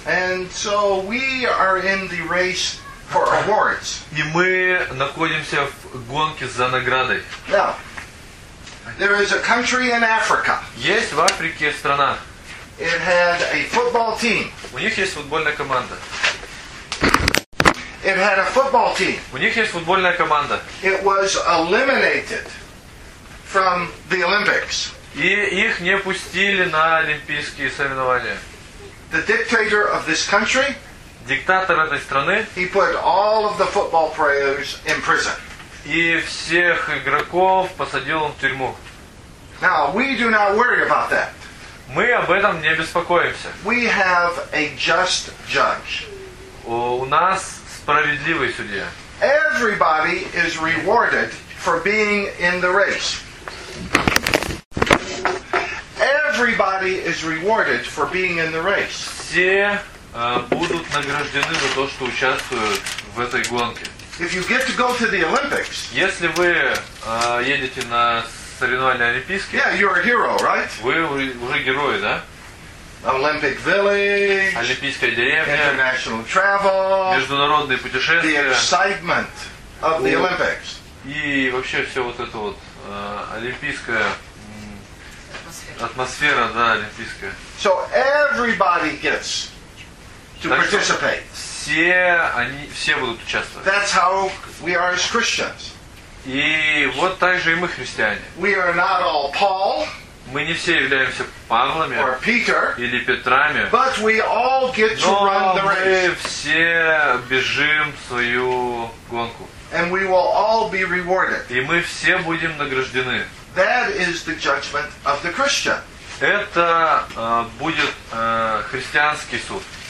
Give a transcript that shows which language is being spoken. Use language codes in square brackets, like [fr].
[en] And so we are in the race for awards. [ru] И мы находимся в гонке за наградой. [en] Now, there is a country in Africa. [ru] Есть в Африке страна. [en] It had a football team. [ru] У них есть футбольная команда. [en] It had a football team. [ru] У них есть футбольная команда. [en] It was eliminated from the Olympics. [ru] И их не пустили на олимпийские соревнования. [en] The dictator of this country. [ru] Диктатор этой страны. [en] He put all of the football players in prison. [ru] И всех игроков посадил он в тюрьму. [en] Now, we do not worry about that. [ru] Мы об этом не беспокоимся. [en] We have a just judge. [ru] У нас справедливый судья. [en] Everybody is rewarded for being in the race. Everybody is rewarded for being in the race. [ru] Все будут награждены за то, что участвуют в этой гонке. [en] If you get to go to the Olympics, [ru] если вы едете на соревнования олимпийские, [en] yeah, you're a hero, right? [ru] Вы уже герои, да? [en] Olympic village, [ru] олимпийская деревня, [en] international travel, [ru] международные путешествия, [en] the excitement of the Olympics. [ru] И вообще все вот это вот олимпийская атмосфера, да, олимпийская. [en] So everybody gets to participate. [ru] Все будут участвовать. [en] That's how we are as Christians. [ru] И вот так же и мы христиане. [en] We are not all Paul. [ru] Мы не все являемся Павлами [en] or Peter, [ru] или Петрами. [en] But we all get to run the race. [ru] Но мы все бежим свою гонку. [en] And we will all be rewarded. [ru] И мы все будем награждены. [en] That is the judgment of the Christian. [ru] Это будет христианский суд.